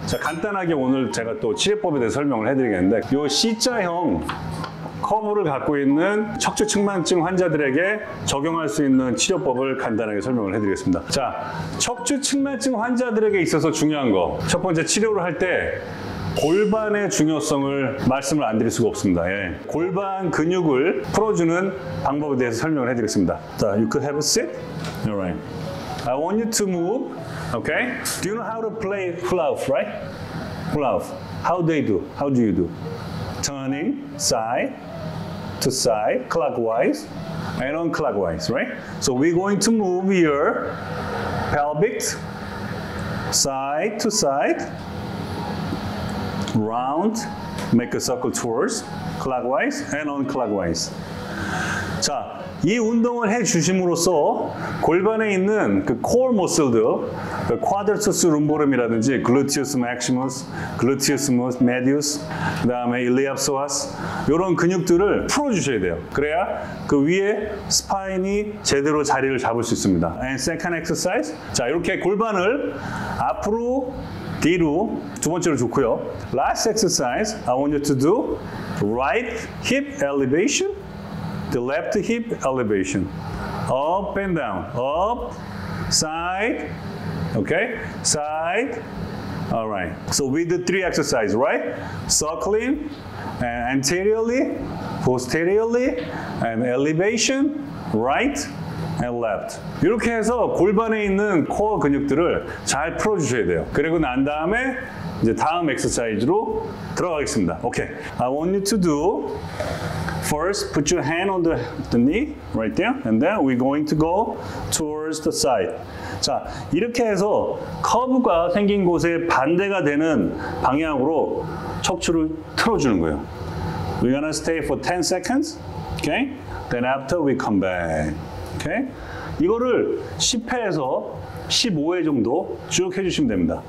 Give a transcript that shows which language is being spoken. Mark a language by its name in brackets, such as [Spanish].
[Korean] 자, 간단하게 오늘 제가 또 치료법에 대해서 설명을 해드리겠는데 이 C자형 커브를 갖고 있는 척추 측만증 환자들에게 적용할 수 있는 치료법을 간단하게 설명을 해드리겠습니다. 자, 척추 측만증 환자들에게 있어서 중요한 거. 첫 번째, 치료를 할 때 골반의 중요성을 말씀을 안 드릴 수가 없습니다. 예. 골반 근육을 풀어주는 방법에 대해서 설명을 해드리겠습니다. 자, [English] you could have a sit. Alright. I want you to move. Okay. Do you know how to play hula hoop, right? Hula hoop. How they do? How do you do? Turning side to side, clockwise, and on clockwise, right? So we're going to move your pelvic side to side, round, make a circle towards, clockwise, and on clockwise. [Korean] 자, 이 운동을 해 주심으로써 골반에 있는 그 코어 머슬들, 그 쿼드리셉스 룸보름이라든지 글루티우스 맥시머스, 글루티우스 메디우스, 그다음에 일리압 소아스 이런 근육들을 풀어 주셔야 돼요. 그래야 그 위에 스파인이 제대로 자리를 잡을 수 있습니다. [English] And second exercise. [Korean] 자, 이렇게 골반을 앞으로 뒤로 두 번째로 좋고요. [English] Last exercise. I want you to do right hip elevation. The left hip elevation, up and down, up, side, okay, side, all right. So we did three exercises, right? Circling, anteriorly, posteriorly, and elevation, right and left. [Korean] 이렇게 해서 골반에 있는 코어 근육들을 잘 풀어주셔야 돼요. 그리고 난 다음에 이제 다음 엑서사이즈로 들어가겠습니다. [English] Okay, I want you to do. First, put your hand on the knee, right there, and then we're going to go towards the side. [Korean] 자, 이렇게 해서 커브가 생긴 곳에 반대가 되는 방향으로 척추를 틀어주는 거예요. [English] We're gonna stay for 10 seconds, okay? Then after we come back, okay? [Korean] 이거를 10회에서 15회 정도 쭉 해주시면 됩니다.